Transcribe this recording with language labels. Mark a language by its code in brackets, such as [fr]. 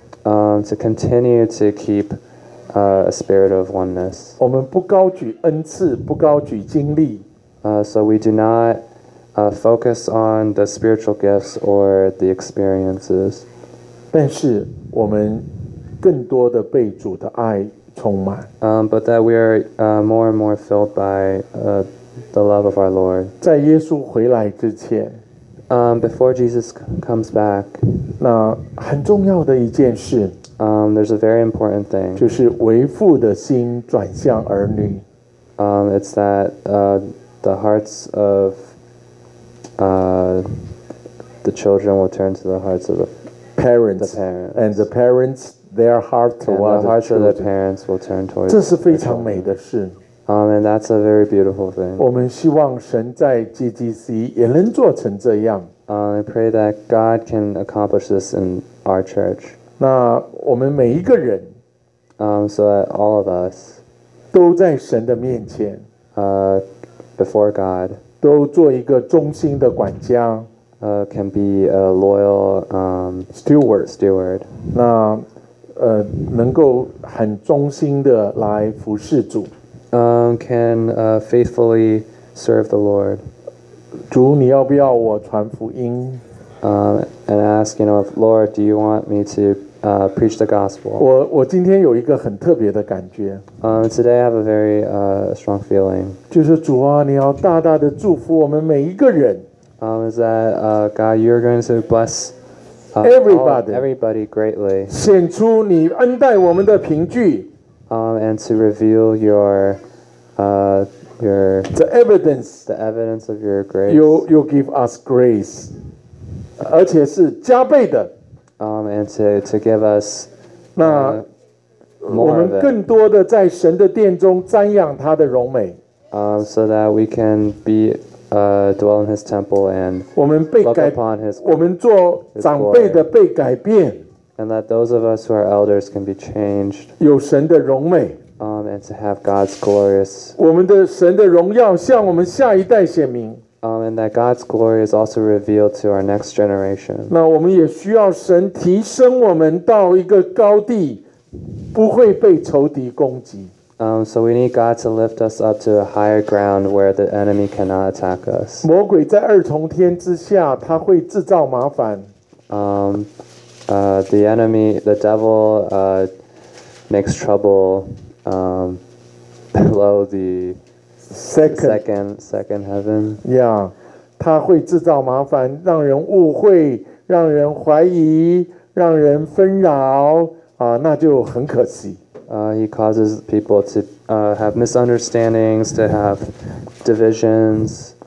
[en] To continue to keep a spirit of oneness. [zh] 我们不高举恩赐，不高举经历。 [en] So we do not. Focus on the spiritual gifts or the experiences. [zh] 但是我们更多的被主的爱充满。 [en] But that we are more and more filled by the love of our Lord. [zh] 在耶稣回来之前。 [en] Before Jesus comes back. [zh] 那很重要的一件事。 [en] There's a very important thing. [zh] 就是为父的心转向儿女。 [en] It's that the hearts of the children will turn to the hearts of the parents. And the parents, their heart towards the hearts the of the parents will turn towards [zh] 这是非常美的事。 [en] And that's a very beautiful thing. [zh] 我们希望神在 GGC 也能做成这样。 [en] I pray that God can accomplish this in our church. [zh] 那我们每一个人 [en] so that all of us [zh] 都在神的面前 [en] before God [zh] 都做一个忠心的管家 [en] can be a loyal [zh] steward 那能够很忠心的来服侍主 [en] can faithfully serve the Lord [zh] 主你要不要我传福音 [en] and ask you know if, Lord do you want me to preach the gospel [zh] 我今天有一个很特别的感觉 [en] Today I have a very strong feeling [zh] 就是主啊你要大大的祝福我们每一个人 [en] Is that God you're going to bless everybody greatly [zh] 显出你恩待我们的凭据 [en] And to reveal your the evidence of your grace you'll give us grace [zh] 而且是加倍的 [en] And to give us [zh] 那我们更多的在神的殿中瞻仰他的荣美 [en] so that we can be dwell in his temple and [zh] 我们被改 [en] look upon his [zh] 我们做长辈的被改变 [en] and that those of us who are elders can be changed [zh] 有神的荣美 [en] and to have God's glorious [zh] 我们的神的荣耀向我们下一代显明 [en] And that God's glory is also revealed to our next generation. [zh] 那我们也需要神提升我们到一个高地，不会被仇敌攻击。 [en] So we need God to lift us up to a higher ground where the enemy cannot attack us. [zh] 魔鬼在二重天之下，他会制造麻烦。 [en] The enemy, the devil, makes trouble below the second heaven. [zh] Yeah, 他会制造麻烦，让人误会，让人怀疑，让人纷扰啊，那就很可惜。 [en] He causes people to have misunderstandings, to have divisions.